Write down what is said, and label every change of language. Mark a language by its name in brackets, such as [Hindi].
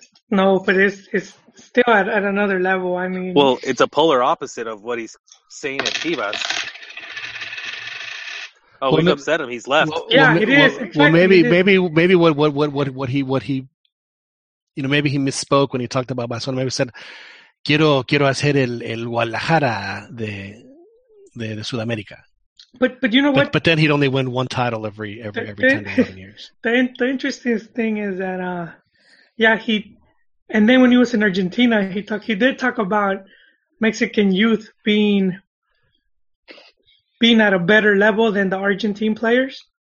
[English] No, but it's still at another level. I mean, well, it's a polar opposite of what he's saying at Chivas. Oh, well, we've upset him. He's left. Well, yeah, it is. Exactly. Well, maybe what he, you know, maybe he misspoke when he talked about Barcelona. Maybe he said [Spanish] quiero hacer el Guadalajara de Sudamérica. [English] But you know what? But then he'd only win one title every 10 to 11 years. The interesting thing is that and then when he was in Argentina, he did talk about Mexican youth being at a better level than the Argentine players.